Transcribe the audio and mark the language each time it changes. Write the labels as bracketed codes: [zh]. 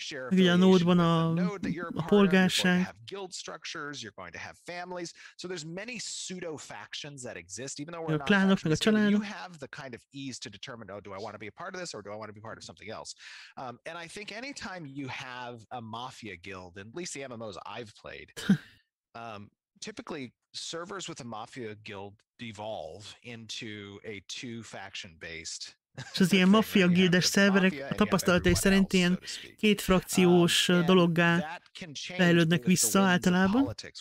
[hu] Ugye a nódban a polgárság. [en] Guild structures, you're going to have families. So there's many pseudo factions that exist, even though we're not. [hu] A klánok, meg a családok. [en] You have the kind of ease to determine, oh, do I want to be a part of this or do I want to be part of something else? And I think anytime you have a mafia guild, and at least the MMOs I've played, typically servers with a mafia guild devolve into a two faction based. [hu] És az ilyen mafia guildes szerverek a tapasztalatai szerint ilyen két frakciós dologgá fejlődnek vissza általában.